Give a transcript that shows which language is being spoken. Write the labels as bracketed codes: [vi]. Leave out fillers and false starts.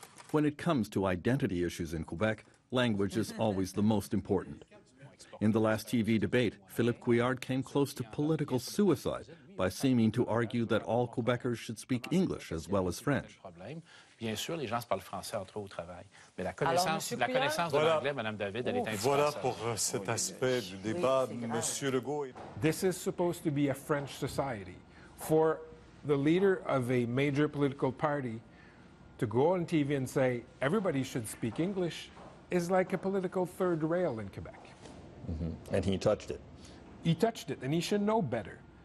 [en] When it comes to identity issues in Quebec, language is always the most important. In the last TV debate, Philippe Couillard came close to political suicide by seeming to argue that all Quebecers should speak English as well as French. [fr] Bien sûr, les gens parlent français entre eux au travail, mais la connaissance de l'anglais, Madame David, elle est indispensable. Voilà pour cet aspect du débat, Monsieur Legault. [en] This is supposed to be a French society. For the leader of a major political party to go on TV and say everybody should speak English is like a political third rail in Quebec. Mm-hmm. And he touched it. He touched it, and he should know better.